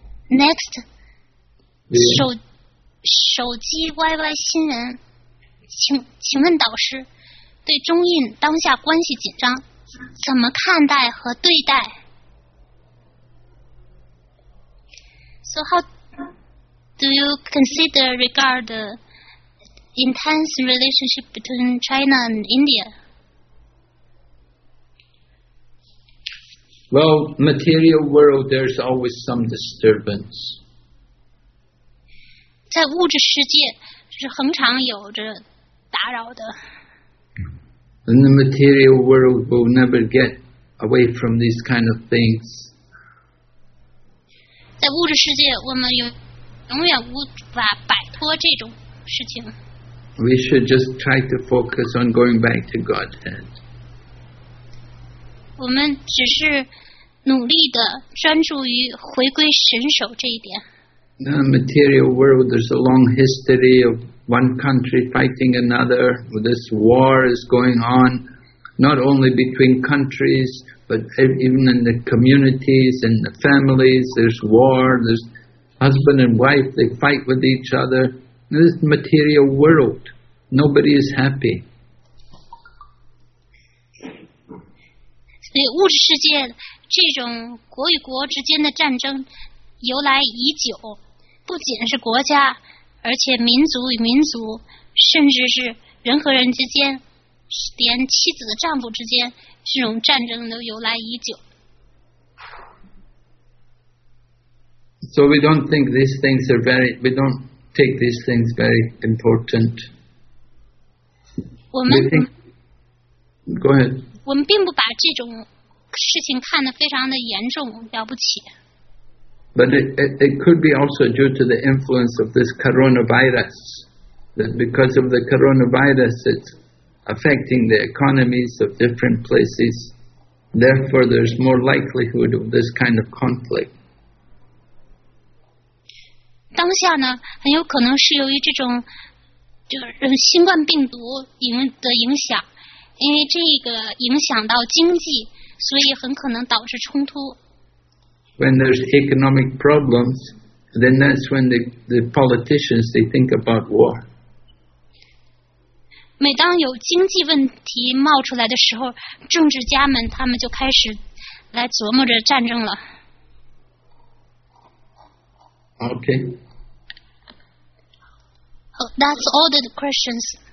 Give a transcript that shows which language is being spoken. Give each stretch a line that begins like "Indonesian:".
English: Next,
Chinese: 手机 YY 新人，请问导师，对中印当下关系紧张，怎么看待和对待？
English: So how do you consider regard the intense relationship between China and India? Well, material world, there's always some disturbance.
Chinese: 在物质世界是恒常有着打扰的。
English: And the material world will never get away from these kind of things.
Chinese: 在物质世界我们永远无法摆脱这种事情。
English: We should just try to focus on going back to Godhead.
Chinese: 我们只是努力地专注于回归神首这一点。
English: The material world, there's a long history of one country fighting another. This war is going on, not only between countries, but even in the communities and the families. There's war, there's husband and wife, they fight with each other. This material world, nobody is happy. The
Chinese: 物质世界这种国与国之间的战争由来已久。不仅是国家，而且民族与民族，甚至是人和人之间，连妻子丈夫之间，这种战争都由来已久。
English: So we don't think these things are very, we don't take these things very important.
Chinese: 我们
English: Go ahead.
Chinese: 我们并不把这种事情看得非常的严重，了不起。
English: But it could be also due to the influence of this coronavirus. That because of the coronavirus, it's affecting the economies of different places. Therefore, there's more likelihood of this kind of conflict.
Chinese: 当下呢，很有可能是由于这种新冠病毒的影响，因为这个影响到经济，所以很可能导致冲突。
English: When there's economic problems, then that's when the politicians, they think about war.
Chinese: 每当有经济问题冒出来的时候，政治家们他们就开始来琢磨着战争了。
English: Okay. That's all the questions.